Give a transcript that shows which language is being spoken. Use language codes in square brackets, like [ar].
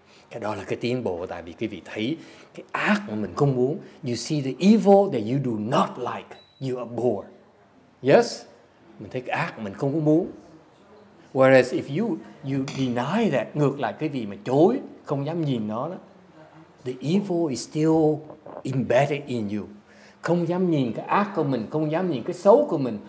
[vi] Cái đó là cái tiến bộ, tại vì quý vị thấy cái ác mà mình không muốn. [en] You see the evil that you do not like. You abhor. Yes? [vi] Mình thấy cái ác mình không muốn. [en] Whereas if you deny that, [vi] ngược lại cái gì mà chối, không dám nhìn nó đó. [en] The evil is still embedded in you. [vi] Không dám nhìn cái ác của mình, không dám nhìn cái xấu của mình.